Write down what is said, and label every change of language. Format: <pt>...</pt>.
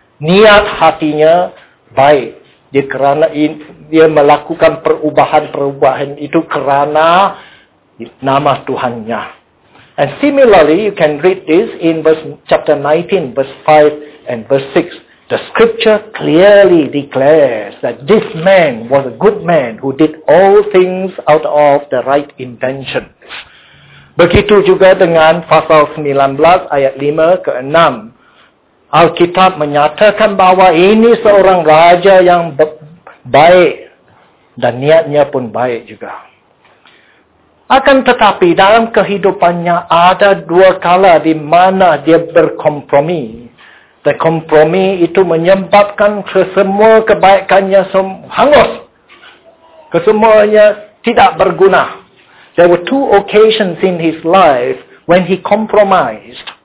<ms>Niat hatinya baik. Dia kerana dia melakukan perubahan-perubahan itu kerana nama Tuhannya.</ms> <en>And similarly, you can read this in verse chapter 19, verse 5 and verse 6. The scripture clearly declares that this man was a good man who did all things out of the right intention.</en> <ms>Begitu juga dengan pasal 19 ayat 5 ke 6. Alkitab menyatakan bahwa ini seorang raja yang baik dan niatnya pun baik juga. Akan tetapi dalam kehidupannya ada dua kala di mana dia berkompromi. The kompromi itu menyebabkan kesemua kebaikannya hangus. Kesemuanya tidak berguna.</ms> <en>There were two occasions in his life when he compromised.</en>